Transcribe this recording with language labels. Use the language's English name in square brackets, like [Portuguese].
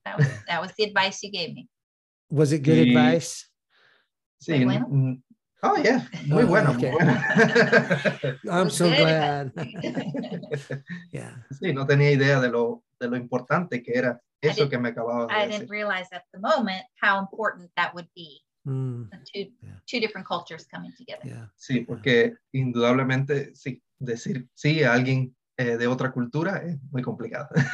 [English] That was the advice you gave me. Was it good advice? [Spanish] Sí. Bueno? [English] Oh, yeah. [Spanish] Muy bueno. [English] Okay. [Spanish] Muy bueno. [English] I'm so glad. Yeah. [Spanish] Sí, no tenía idea de lo importante que era eso que me acababa de decir. [English] I didn't realize at the moment how important that would be. Two different cultures coming together. Yeah. [Spanish] Sí, porque indudablemente sí, decir sí a alguien de otra cultura es muy complicado.